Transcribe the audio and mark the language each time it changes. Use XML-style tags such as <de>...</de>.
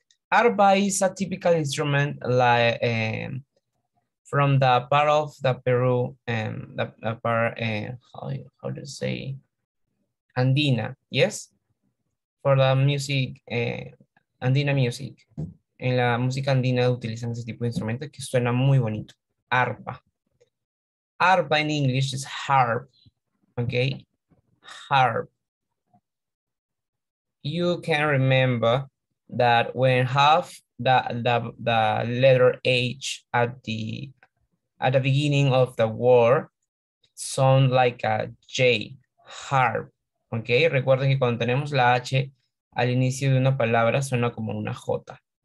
<en>Arpa is a typical instrument like from the part of the Peru and the part how to say Andina, yes, for the music Andina music.</en> <es>En la música andina utilizan ese tipo de instrumentos que suena muy bonito.</es> <en>Arpa. Arpa in English is harp. Okay, harp. You can remember that when half the letter H at the beginning of the word sound like a J, harp.</en> <es>Okay, recuerden que cuando tenemos la H al inicio de una palabra suena como una J.</es>